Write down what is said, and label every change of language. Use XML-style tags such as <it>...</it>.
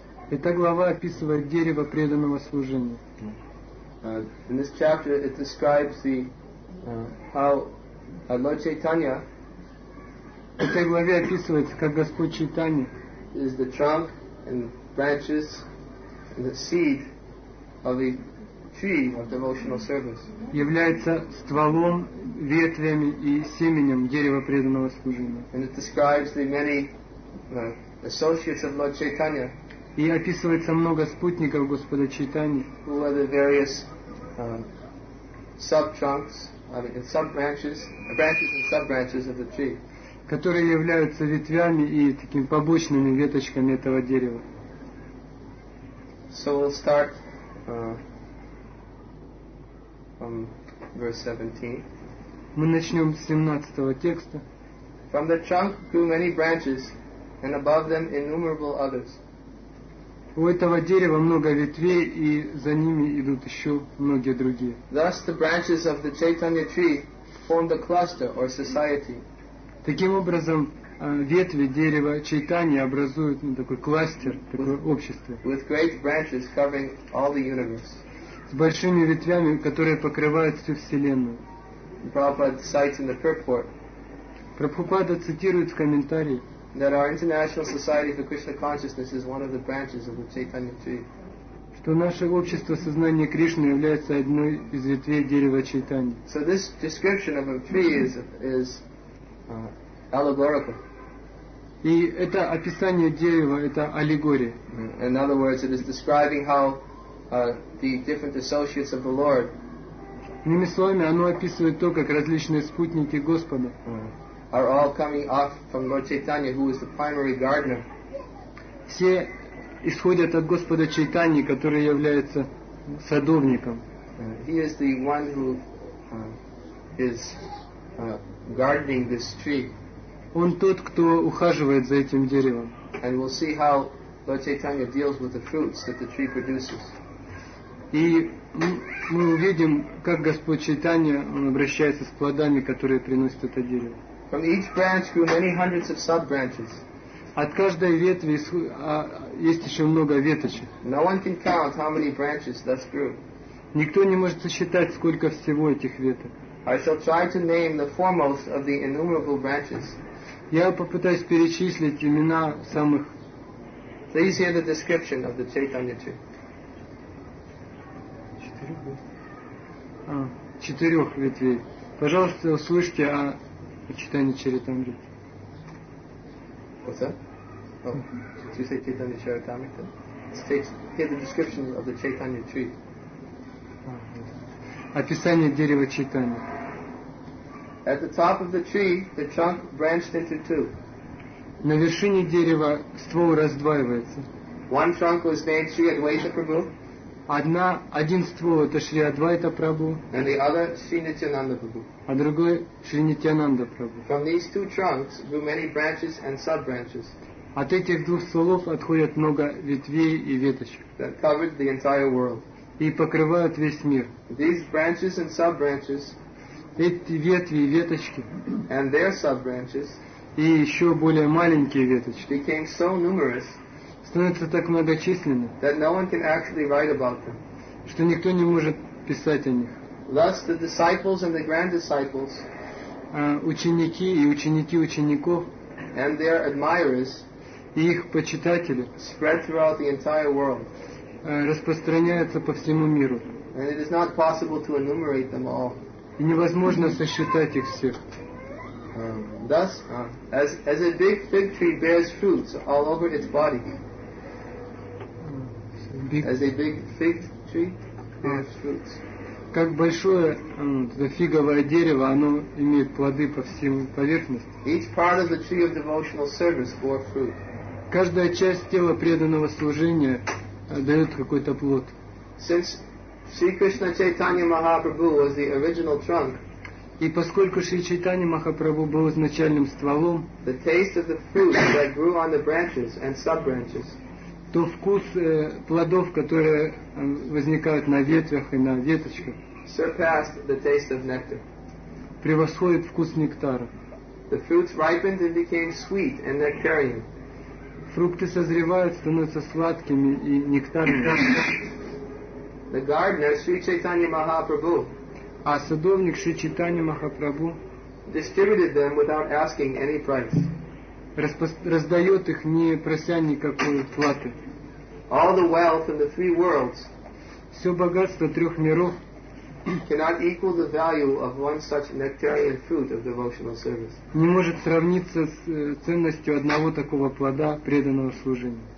<ru>Итак, глава описывает дерево преданного служения.</ru> <en>In this chapter it describes the how Lord Chaitanya.</en> <ru>В этой главе описывается, как Господь Чайтанья</ru> <en>is the trunk and branches and the seed of the tree of devotional service.</en> <ru>Является стволом, ветвями и семенем дерева преданного служения.</ru> <en>And it describes the many associates of Lord Chaitanya.</en> <ru>И описывается много спутников Господа Чайтаньи.</ru> <en>Who are the various sub-trunks, and sub-branches, branches and sub-branches of the tree.</en> <ru>Которые являются ветвями и такими побочными веточками этого дерева.</ru> <en>So we'll start from verse 17.</en> <ru>Мы начнем с 17 текста.</ru> <en>From the trunk grew many branches, and above them innumerable others.</en> <ru>У этого дерева много ветвей, и за ними идут еще многие другие.</ru> <en>Thus the branches of the Chaitanya tree formed a cluster or society.</en> <ru>Таким образом, ветви дерева Чайтаньи образуют такой кластер, такое общество.</ru> <en>With great branches covering all the universe.</en> <ru>С большими ветвями, которые покрывают всю Вселенную.</ru> <en>Prabhupada cites in the purport.</en> <ru>Прабхупада цитирует в комментарии.</ru> <en>That our International Society for Krishna Consciousness is one of the branches of the Chaitanya tree.</en> <ru>Что наше общество сознания Кришны является одной из ветвей дерева Чайтаньи.</ru> <en>So this description of a tree is allegorical.</en> <ru>И это описание дерева, это аллегория.</ru> <en>In other words, it is describing how the different associates of the Lord.</en> <ru>Иными словами, оно описывает то, как различные спутники Господа.</ru> <en>Are all coming off from Lord Chaitanya, who is the primary gardener.</en> <ru>Все исходят от Господа Чайтаньи, который является садовником.</ru> <en>He is the one who is gardening this tree.</en> <ru>Он тот, кто ухаживает за этим деревом.</ru> <en>And we'll see how Lord Chaitanya deals with the fruits that the tree produces.</en> <ru>И мы увидим, как Господь Чайтанья обращается с плодами, которые приносит это дерево.</ru> <en>From each branch grew many hundreds of sub-branches.</en> <ru>От каждой ветви есть еще много веточек.</ru> <en>No one can count how many branches thus grew.</en> <ru>Никто не может сосчитать, сколько всего этих веток.</ru> <en>I shall try to name the foremost of the innumerable branches.</en> <ru>Я попытаюсь перечислить имена самых.</ru> <en>Please hear the description of the Chaitanya tree.</en> <ru>Четырех ветвей. Пожалуйста, услышьте о Чайтанья Чаритамрите.</ru> <en>What's that? Oh, did you say Chaitanya Charitamrita? Hear the description of the Chaitanya tree.</en> <ru>Описание дерева Чайтанья.</ru> <en>At the top of the tree, the trunk branched into two.</en> <ru>На вершине дерева ствол раздваивается.</ru> <en>One trunk was named Sri Advaita Prabhu.</en> <ru>Один ствол это Шри Адвайта Прабху.</ru> <en>And the other Sri Nityananda Prabhu.</en> <ru>А другой Шри Нитьянанда Прабху.</ru> <en>From these two trunks grew many branches and sub-branches.</en> <ru>От этих двух стволов отходят много ветвей и веточек.</ru> <en>That covered the entire world.</en> <ru>И покрывают весь мир.</ru> <en>These branches and sub-branches.</en> <ru>Эти ветви и веточки</ru> <en>and their sub-branches</en> <ru>и еще более маленькие веточки</ru> <en>became so numerous,</en> <ru>становятся так многочисленными,</ru> <en>that no one can actually write about them.</en> <ru>Что никто не может писать о них.</ru> <en>Thus, the disciples and the grand disciples,</en> <ru>ученики и ученики учеников</ru> <en>and their admirers,</en> <ru>и их почитатели</ru> <en>spread throughout the entire world.</en> <ru>Распространяются по всему миру.</ru> <en>And it is not possible to enumerate them all.</en> <ru>И невозможно сосчитать их всех.</ru> <en>Thus, as a big fig tree bears fruits all over its body, as a big fig tree bears fruits.</en> <ru>как большое фиговое дерево, оно имеет плоды по всем поверхности.</ru> <en>Each part of the tree of devotional service bore fruit.</en> <ru>Каждая часть тела преданного служения дает какой-то плод.</ru> <en>Since Sri Krishna Chaitanya Mahaprabhu was the original trunk,</en> <ru>и поскольку Шри Чайтанья Махапрабху был изначальным стволом,</ru> <en>the taste of the fruit that grew on the branches and sub-branches,</en> <ru>то вкус плодов, которые возникают на ветвях и на веточках,</ru> <en>surpassed the taste of nectar.</en> <ru>Превосходит вкус нектара.</ru> <en>The fruits ripened and became sweet and nectarian.</en> <ru>Фрукты созревают, становятся сладкими и нектарными.</ru> <en>The gardener, Sri Chaitanya Mahaprabhu,</en> <ru>а садовник Шри Чайтанья Махапрабху</ru> <en>distributed them without asking any price.</en> <ru>Раздает их, не прося никакой платы.</ru> <en>All the wealth in the three worlds,</en> <ru>все богатство трех миров,</ru> <en>cannot equal the value of one such nectarian fruit of devotional service.</en> <ru>Не может сравниться с ценностью одного такого плода преданного служения.</ru>